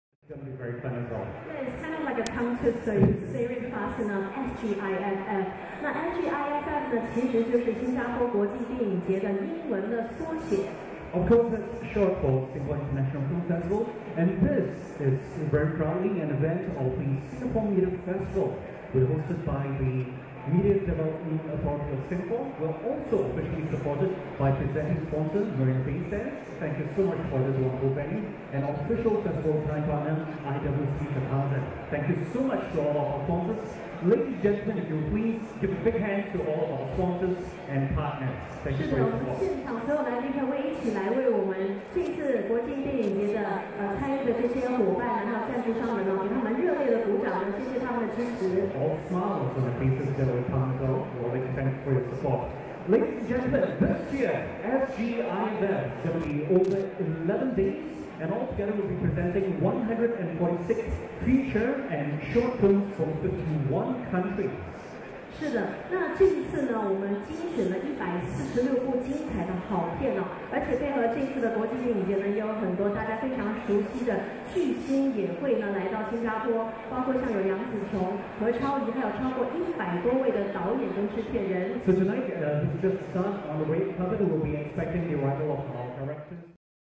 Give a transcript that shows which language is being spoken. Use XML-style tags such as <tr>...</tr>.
<en>It's kind of like a counter, so you say it fast enough, SGIFF.</en> <zh>那 SGIFF 呢，其实就是新加坡国际电影节的英文的缩写。</zh> <en>Of course, it's short for Singapore International Film Festival, and this is very proudly an event of the Singapore Media Festival, which is hosted by the Media Development Authority of Singapore. We're also officially supported by presenting sponsor Marina Bay Sands. Thank you so much for this wonderful venue and official festival time partner IWC Jakarta. Thank you so much to all of our sponsors. Ladies and gentlemen, if you'll please give a big hand to all of our sponsors and partners. Thank you for your support.</en> <zh>是的，现场所有来宾可不可以一起来为我们这次国际电影节的参与的这些伙伴还有赞助商们呢，给他们热烈的鼓掌呢，谢谢他们的支持。</zh> <en>All smiles on the faces that will come and go. Well, thank you for your support. Ladies and gentlemen, this year, SGIFF will be over 11 days. And altogether, we'll be presenting 146 feature and short films from 51 countries.</en> <zh>是的，那这一次呢，我们精选了146部精彩的好片哦，而且配合这次的国际电影节呢，也有很多大家非常熟悉的巨星也会呢来到新加坡，包括像有杨紫琼、何超仪，还有超过100多位的导演跟制片人。</zh> <en>So tonight, just start on the red carpet. We'll be expecting the arrival of our directors.</en>